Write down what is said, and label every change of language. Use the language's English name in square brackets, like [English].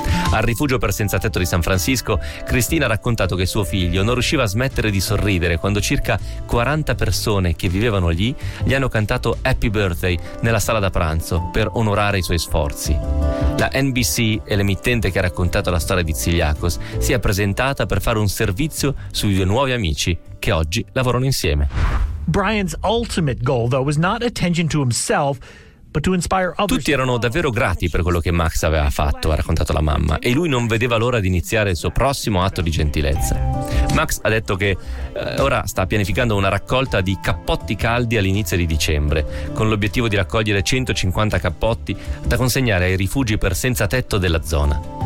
[Italian] Al rifugio per senza tetto di San Francisco, Cristina ha raccontato che suo figlio non riusciva a smettere di sorridere quando circa 40 persone che vivevano lì gli hanno cantato «Happy Birthday» nella sala da pranzo per onorare i suoi sforzi. La NBC e l'emittente che ha raccontato la storia di Tsiliakos si è presentata per fare un servizio sui due nuovi amici che oggi lavorano insieme. [English] Brian's ultimate goal, though, was not attention to himself. [Italian] «Tutti erano davvero grati per quello che Max aveva fatto», ha raccontato la mamma, «e lui non vedeva l'ora di iniziare il suo prossimo atto di gentilezza». Max ha detto che ora sta pianificando una raccolta di cappotti caldi all'inizio di dicembre, con l'obiettivo di raccogliere 150 cappotti da consegnare ai rifugi per senza tetto della zona.